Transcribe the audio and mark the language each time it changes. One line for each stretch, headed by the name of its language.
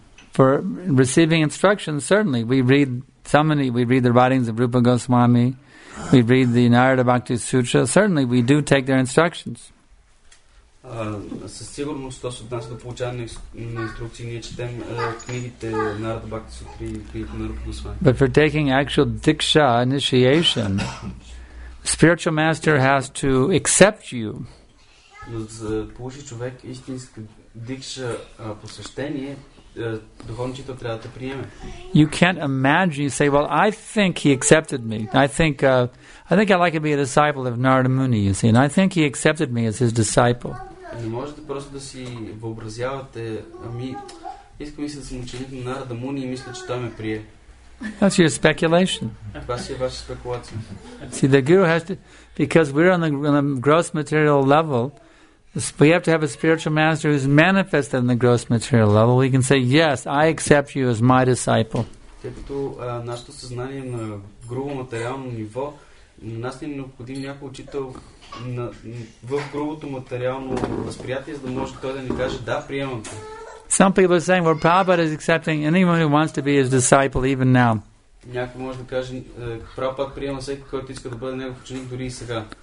English: For receiving instruction, certainly. We read the writings of Rupa Goswami, we read the Narada Bhakti Sutra, certainly we do take their instructions.
Bulgarian: Със сигурност, то се отнася до получаване на инструкции, ние четем книгите на Нарада Бхакти Сутри и книгите на Рупа Госвами.
English: But for taking actual diksha initiation, spiritual master has to accept you.
Bulgarian: Но за да получи човек истинска дикша посещение, духовният учител трябва да те приеме.
English: You can't imagine, you say, well, I think he accepted me. I think I'd like to be a disciple of Narada Muni, you see, and I think he accepted me as his disciple.
Bulgarian: Не можете просто да си въобразявате, ами искам и се да съм ученик на Нарада Муни и мисля, че той ме прие.
English: That's your speculation.
Bulgarian: Това си е ваша спекулация.
English: See, the guru has to, because we're on a gross material level, we have to have a spiritual master who's manifested on the gross material level. We can say, yes, I accept you as my disciple.
Bulgarian: Като нашето съзнание на грубо материално ниво, нас не е необходим някой учител в грубото материално възприятие, за да може той да ни каже да, приемам те.
English: Some people are saying, well, Prabhupada is accepting anyone who wants to be his disciple even now.
Bulgarian: Някой може да каже, Prabhupada приема всеки, който иска да бъде негов ученик дори и сега.